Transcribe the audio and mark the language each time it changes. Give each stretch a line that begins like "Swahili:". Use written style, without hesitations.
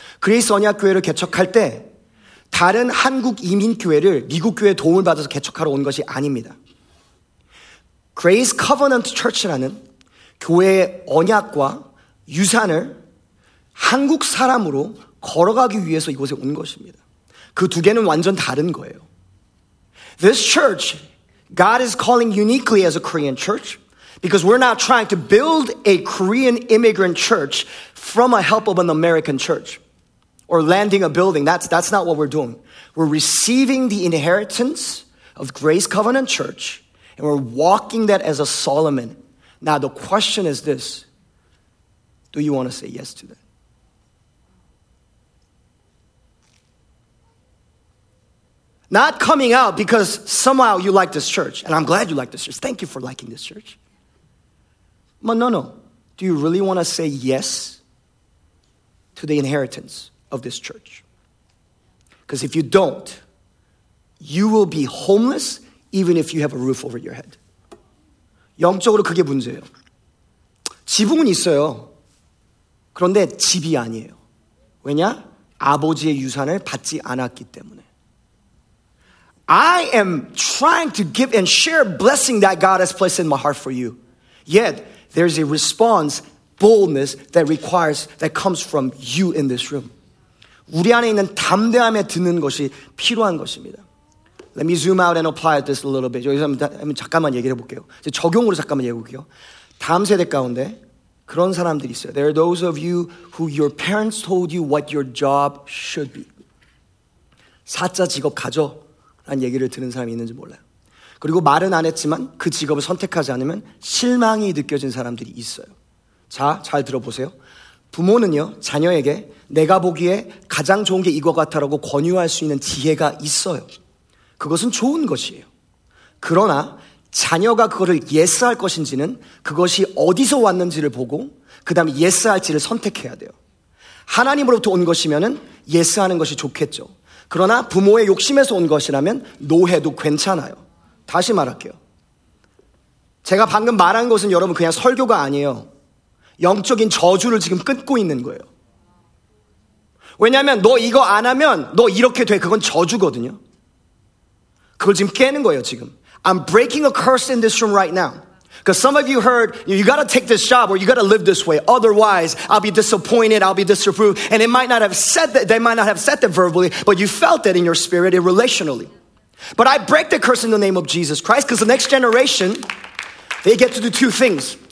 Korean: 그레이스 언약교회를 개척할 때 다른 한국 이민교회를 미국 교회의 도움을 받아서 개척하러 온 것이 아닙니다. 그레이스 커버넌트 처치라는 교회의 언약과 유산을 한국 사람으로 걸어가기 위해서 이곳에 온 것입니다. 그 두 개는 완전 다른 거예요.
English: This church, God is calling uniquely as a Korean church because we're not trying to build a Korean immigrant church from a help of an American church or landing a building. That's not what we're doing. We're receiving the inheritance of Grace Covenant Church and we're walking that as a Solomon. Now, the question is this. Do you want to say yes to that? Not coming out because somehow you like this church. And I'm glad you like this church. Thank you for liking this church. But no. Do you really want to say yes to the inheritance of this church? Because if you don't, you will be homeless even if you have a roof over your head.
Korean: 영적으로 그게 문제예요. 지붕은 있어요. 그런데 집이 아니에요. 왜냐? 아버지의 유산을 받지 않았기 때문에.
English: I am trying to give and share blessing that God has placed in my heart for you. Yet, there's a response, boldness, that requires, that comes from you in this room.
Korean: 우리 안에 있는 담대함에 드는 것이 필요한 것입니다.
English: Let me zoom out and apply this a little bit.
Korean: 여기서 잠깐만 얘기를 해볼게요. 적용으로 잠깐만 얘기해볼게요. 다음 세대 가운데 그런 사람들이 있어요.
English: There are those of you who your parents told you what your job should be.
Korean: 사자 직업 가져 라는 얘기를 들은 사람이 있는지 몰라요. 그리고 말은 안 했지만 그 직업을 선택하지 않으면 실망이 느껴진 사람들이 있어요. 자, 잘 들어보세요. 부모는요, 자녀에게 내가 보기에 가장 좋은 게 이거 같다라고 권유할 수 있는 지혜가 있어요. 그것은 좋은 것이에요. 그러나 자녀가 그거를 예스할 것인지는 그것이 어디서 왔는지를 보고 그 다음에 예스할지를 선택해야 돼요. 하나님으로부터 온 것이면은 예스하는 것이 좋겠죠. 그러나 부모의 욕심에서 온 것이라면 노해도 괜찮아요. 다시 말할게요. 제가 방금 말한 것은 여러분 그냥 설교가 아니에요. 영적인 저주를 지금 끊고 있는 거예요. 왜냐하면 너 이거 안 하면 너 이렇게 돼. 그건 저주거든요. 그걸 지금 깨는 거예요, 지금.
English: I'm breaking a curse in this room right now. Because some of you heard, you gotta take this job or you gotta live this way. Otherwise, I'll be disappointed, I'll be disapproved. And it might not have said that, they might not have said that verbally, but you felt it in your spirit, relationally. But I break the curse in the name of Jesus Christ because the next generation, they get to do two things.